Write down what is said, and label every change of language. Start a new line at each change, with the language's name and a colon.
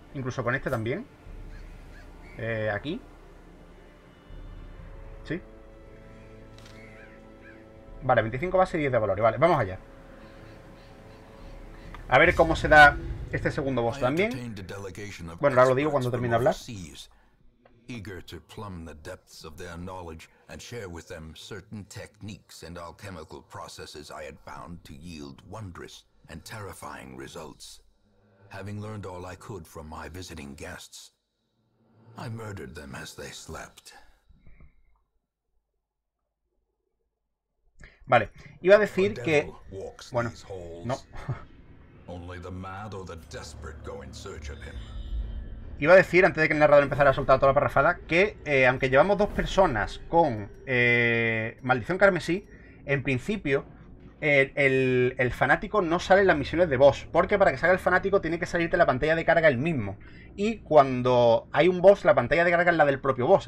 Spanish: Incluso con este también. Aquí. Sí. Vale, 25 base y 10 de valores. Vale, vamos allá. A ver cómo se da este segundo boss también. Bueno, ahora lo digo cuando termine de hablar.
English: Eager to plumb the depths of their knowledge and share with them certain techniques and alchemical processes I had found to yield wondrous and terrifying results. Having learned all I could from my visiting guests, I murdered them as they slept.
Spanish: Vale, iba a decir que... Bueno, no.
English: Only the mad or the desperate go in search of him.
Spanish: Iba a decir, antes de que el narrador empezara a soltar toda la parrafada, que aunque llevamos dos personas con Maldición Carmesí, en principio el fanático no sale en las misiones de boss. Porque para que salga el fanático tiene que salirte la pantalla de carga el mismo. Y cuando hay un boss, la pantalla de carga es la del propio boss.